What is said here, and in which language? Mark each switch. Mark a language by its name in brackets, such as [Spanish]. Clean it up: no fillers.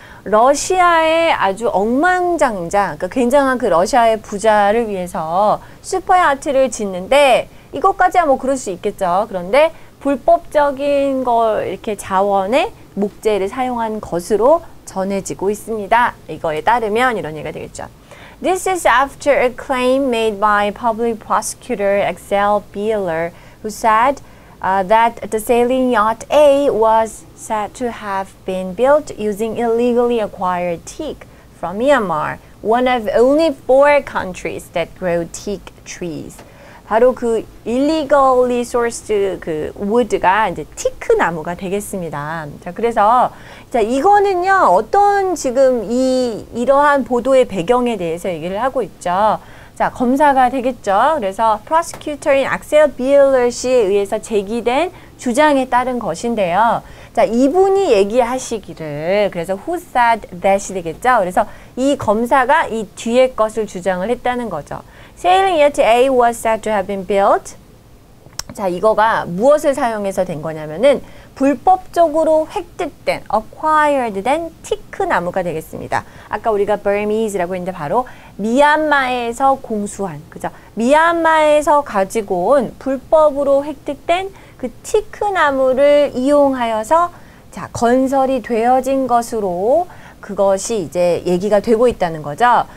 [Korean] 러시아의 아주 억만장자, 그러니까 굉장한 그 러시아의 부자를 위해서 슈퍼야트를 짓는데, 이것까지야 뭐 그럴 수 있겠죠. 그런데 불법적인 거 이렇게 자원에 목재를 사용한 것으로 전해지고 있습니다. 이거에 따르면 이런 얘기가 되겠죠. [English] This is after a claim made by public prosecutor Axel Bieler, who said that the sailing yacht A was said to have been built using illegally acquired teak from Myanmar, one of only four countries that grow teak trees. [Korean] 바로 그 [English] illegally sourced [Korean] 그 wood가 이제 티크 나무가 되겠습니다. 자, 그래서 자, 이거는요. 어떤 지금 이러한 보도의 배경에 대해서 얘기를 하고 있죠. 자, 검사가 되겠죠. 그래서 prosecutor인 악셀 비일러 씨에 의해서 제기된 주장에 따른 것인데요. 자, 이분이 얘기하시기를 그래서 [English] who said that [Korean] 이 되겠죠. 그래서 이 검사가 이 뒤에 것을 주장을 했다는 거죠. [English] Sailing yacht A was said to have been built. [Korean] 자, 이거가 무엇을 사용해서 된 거냐면은 불법적으로 획득된, acquired 된 티크 나무가 되겠습니다. 아까 우리가 Burmese라고 했는데 바로 미얀마에서 공수한, 그죠? 미얀마에서 가지고 온 불법으로 획득된 그 티크 나무를 이용하여서 자, 건설이 되어진 것으로 그것이 이제 얘기가 되고 있다는 거죠.